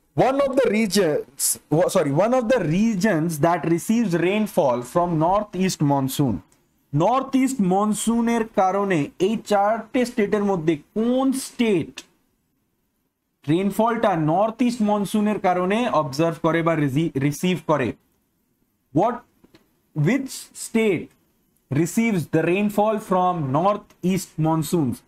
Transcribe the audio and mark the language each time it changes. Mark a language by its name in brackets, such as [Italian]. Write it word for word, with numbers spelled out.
[English] One of the regions, sorry, one of the regions that receives rainfall from northeast monsoon. [Bangla] Northeast monsoon এর কারণে এই চারটে স্টেটের মধ্যে কোন স্টেট রেইনফলটা নর্থ ইস্ট মনসুনের কারণে অবজার্ভ করে বা রিসিভ করে? [English] What, which state receives the rainfall from northeast monsoons?